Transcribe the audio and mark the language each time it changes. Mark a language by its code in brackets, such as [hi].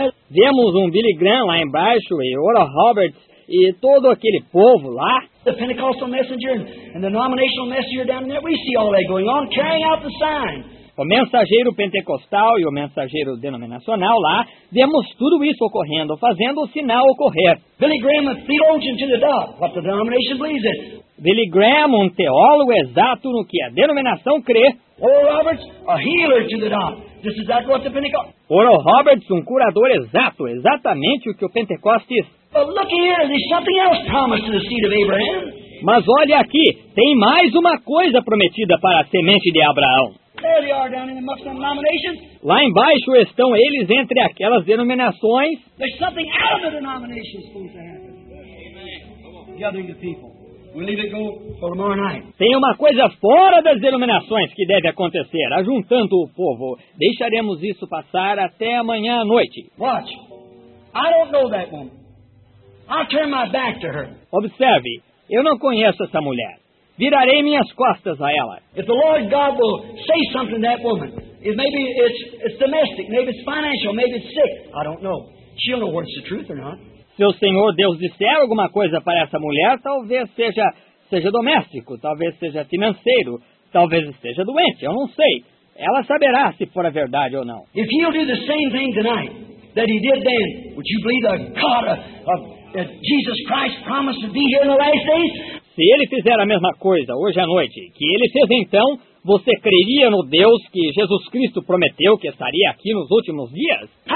[pt] Vemos um Billy Graham lá embaixo e Oral Roberts e todo aquele povo lá. [en] The Pentecostal messenger and the denominational messenger down there. We see all that going on, carrying out the sign. [pt] O mensageiro pentecostal e o mensageiro denominacional lá, vemos tudo isso ocorrendo, fazendo o sinal ocorrer. [en] Billy Graham, a theologian to the dot, what the denomination believes in. [pt] Billy Graham, um teólogo exato no que a denominação crê. [en] Oral Roberts, a healer to the dot. This is that what the Pentecost. [pt] Oral Roberts, um curador exato, exatamente o que o Pentecostes. [en] But look here, there's something else promised to the seed of Abraham. [pt] Mas olha aqui, tem mais uma coisa prometida para a semente de Abraão. [en] There they are down in the Muslim denominations. [pt] Lá embaixo estão eles entre aquelas denominações. [en] There's something out of the denominations supposed to happen. gathering the people. We'll leave it go for tomorrow night. [pt] Tem uma coisa fora das denominações que deve acontecer, ajuntando o povo. Deixaremos isso passar até amanhã à noite. [en] Watch. I don't know that woman. I'll turn my back to her. [pt] Observe, eu não conheço essa mulher. Virarei minhas costas a ela. [en] If the Lord God will say something to that woman, maybe it's domestic, maybe it's financial, maybe it's sick. I don't know. She'll know what's the truth or not. [pt] Se o Senhor Deus disser alguma coisa para essa mulher, talvez seja doméstico, talvez seja financeiro, talvez esteja doente, eu não sei. Ela saberá se for a verdade ou não. [en] If he'll do the same thing tonight that he did then, would you believe the God of Jesus Christ promised to be here in the last days? [pt] Se ele fizer a mesma coisa hoje à noite que ele fez então, você creria no Deus que Jesus Cristo prometeu que estaria aqui nos últimos dias?